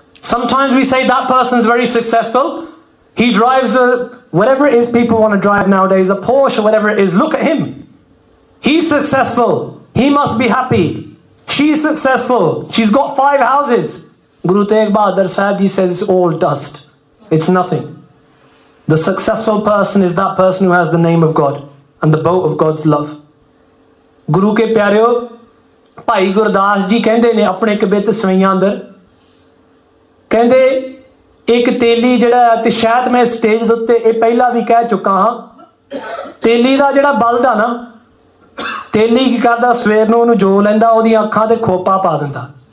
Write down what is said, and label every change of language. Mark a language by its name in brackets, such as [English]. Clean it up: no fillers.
[English] Sometimes we say that person is very successful, he drives whatever it is people want to drive nowadays, a Porsche whatever it is, look at him, he is successful, he must be happy, she is successful, she is got 5 houses. Guru Tegh Bahadur Sahib ji says it's all dust, it's nothing. The successful person is that person who has the name of God and the boat of God's love. [Punjabi] Guru ke pyareo, Bhai Gurdas ji ਕਹਿੰਦੇ ਨੇ ਆਪਣੇ ਕਬਿੱਤ ਸਵਈਆਂ ਅੰਦਰ, ਕਹਿੰਦੇ ਇੱਕ ਤੇਲੀ ਜਿਹੜਾ ਹੈ, ਤੇ ਸ਼ਾਇਦ ਮੈਂ ਸਟੇਜ ਦੇ ਉੱਤੇ ਇਹ ਪਹਿਲਾਂ ਵੀ ਕਹਿ ਚੁੱਕਾ ਹਾਂ, ਤੇਲੀ ਦਾ ਜਿਹੜਾ ਬਲਦ ਆ ਨਾ, ਤੇਲੀ ਕੀ ਕਰਦਾ, ਸਵੇਰ ਨੂੰ ਉਹਨੂੰ ਜੋ ਲੈਂਦਾ, ਉਹਦੀਆਂ ਅੱਖਾਂ 'ਤੇ ਖੋਪਾ ਪਾ ਦਿੰਦਾ,